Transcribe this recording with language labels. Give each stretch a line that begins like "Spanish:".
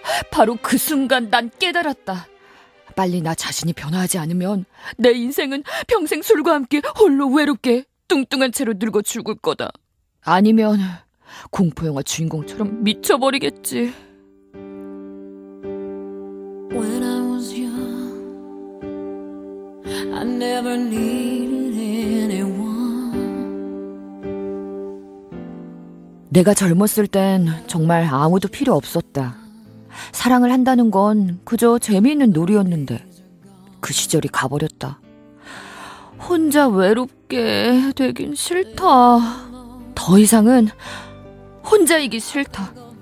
Korean: 바로 그 순간 난 깨달았다. 빨리 나 자신이 변화하지 않으면 내 인생은 평생 술과 함께 홀로 외롭게 뚱뚱한 채로 늙어 죽을 거다. 아니면 공포영화 주인공처럼 미쳐버리겠지.
English: When I was young, I never needed anyone.
Korean: 내가 젊었을 땐 정말 아무도 필요 없었다. 사랑을 한다는 건 그저 재미있는 놀이였는데 그 시절이 가버렸다. 혼자 외롭게 되긴 싫다. 더 이상은 혼자이기 싫다.